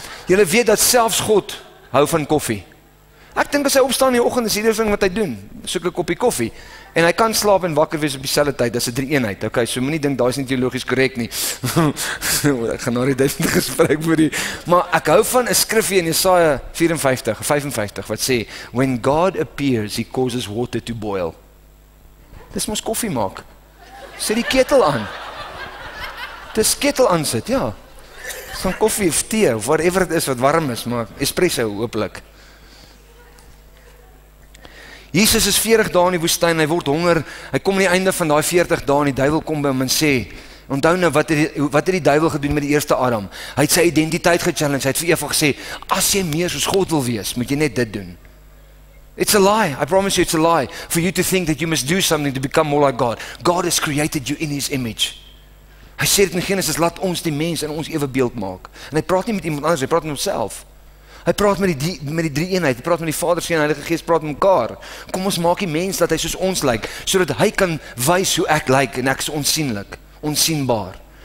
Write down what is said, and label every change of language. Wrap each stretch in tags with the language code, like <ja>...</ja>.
<af>Julle weet dat selfs God hou van koffie. Ek dink as hy opstaan in die oggend, is die ding wat hy doen, soek 'n koppie koffie. En hy kan slaap en wakker wees op dieselfde tyd, dis 'n drie eenheid, ok, so moet nie dink, daar is nie teologies korrek nie. Ek gaan na die duisende gesprek voor die, maar ek hou van 'n skrifje in Jesaja 55, wat sê,</af> <en>When God appears, He causes water to boil.</en> <af>Dis mos koffie maak. Sit die ketel aan. Dis ketel aan sit, ja. Van koffie of thee, of whatever het is wat warm is, maar espresso hopelijk. Jesus is 40 dae in die woestijn, hy word honger, hy kom aan die einde van die 40 dae en die duivel kom by hom en sê, onthou nou, wat het die duivel gedoen met die eerste Adam? Hy het sy identiteit gechallenged, hy het vir Eva gesê, as jy meer soos God wil wees, moet jy net dit doen.</af> <en>It's a lie, I promise you it's a lie, for you to think that you must do something to become more like God. God has created you in His image.</en> <af>Hy sê dit in Genesis, laat ons die mens in ons evenbeeld maak. En hy praat nie met iemand anders, hy praat met homself. Hy praat met die drie eenheid, hy praat met die Vader, Seun en Heilige Gees, praat met mekaar. Kom, ons maak die mens dat hy soos ons lyk, sodat hy kan wys hoe ek lyk en ek is onsienlik, onsienbaar.</af>